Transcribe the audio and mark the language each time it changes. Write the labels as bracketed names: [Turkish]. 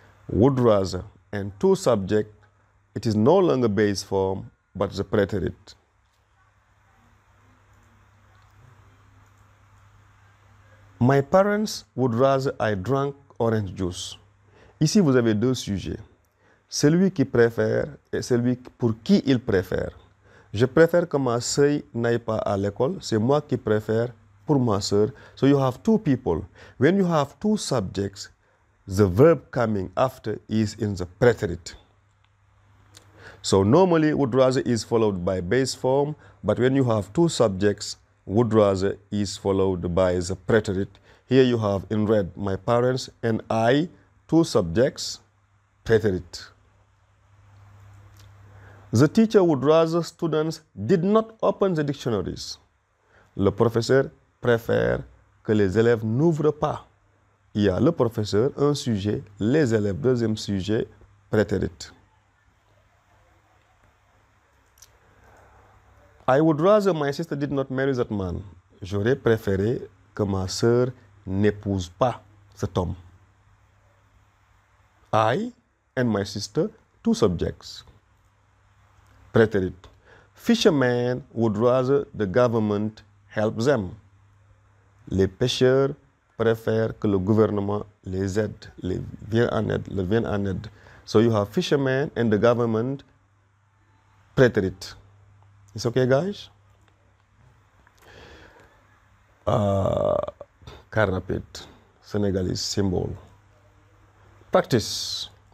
[English] Would rather and two subject, it is no longer base form, but the preterite. My parents would rather I drank orange juice. [French] Ici, vous avez deux sujets. Celui qui préfère et celui pour qui il préfère. Je préfère que ma sœur n'aille pas à l'école. C'est moi qui préfère pour ma sœur. [English] So you have two people. When you have two subjects, the verb coming after is in the preterite. So normally, would rather is followed by base form, but when you have two subjects, would rather is followed by the preterite. Here you have in red, my parents and I, two subjects, preterite. The teacher would rather students did not open the dictionaries. [French] Le professeur préfère que les élèves n'ouvrent pas. Il y a le professeur, un sujet, les élèves, deuxième sujet, préterite. [English] I would rather my sister did not marry that man. [French] J'aurais préféré que ma sœur n'épouse pas cet homme. [English] I and my sister, two subjects. Préterite. Fishermen would rather the government help them. [French] Les pêcheurs préfèrent que le gouvernement les aide, les vienne en aide, les vienne en aide. [English] So you have fishermen and the government, préterite. It's okay, guys? Carnapit, Senegalese symbol. Practice.